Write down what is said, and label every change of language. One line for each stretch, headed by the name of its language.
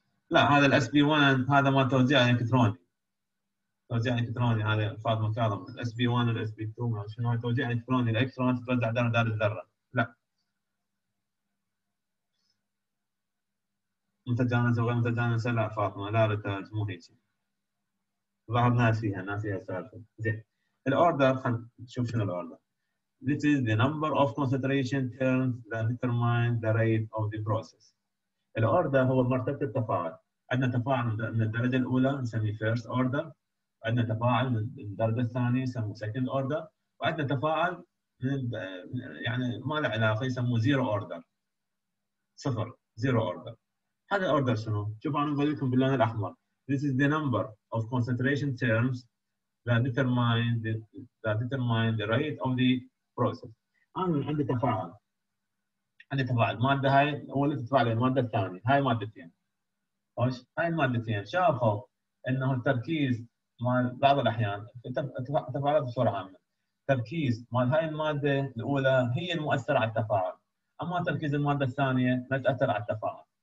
Arabic: لا هذا الاس بي 1 هذا ما توزيع الكتروني، توزيع الكتروني هذا فاطمه كاظم، الاس بي 1 والاس بي 2 شنو توزيع الكتروني؟ الالكترونات توزع دار دار الذره. لا متجانسه وغير متجانسه، لا فاطمه لا رتاج مو هيك ظهر ناسيها ناسيها سالفه. زين الاوردر خلينا نشوف شنو الاوردر.
English: This is the number of concentration terms that determine the rate of the process.
Arabic: الاوردر هو مرتبة التفاعل. عندنا تفاعل من الدرجة الأولى نسميه first order، عندنا تفاعل من الدرجة الثانية نسميه second order، وعندنا تفاعل يعني ما له علاقة يسموه zero order، صفر zero order. هذا الاوردر شنو؟ شوف أنا بقول لكم باللون الأحمر.
English: This is the number of concentration terms that determine the rate of the process.
Arabic: أنا عندي تفاعل، عندي تفاعل مادة هاي أول تفاعل المادة الثانية، هاي مادتين أوش، هاي مادتين شافوا إنه التركيز مال بعض الأحيان تفاعلات بسرعة عامة، تركيز مال هاي المادة الأولى هي المؤثرة على التفاعل، أما تركيز المادة الثانية لا تأثر على التفاعل.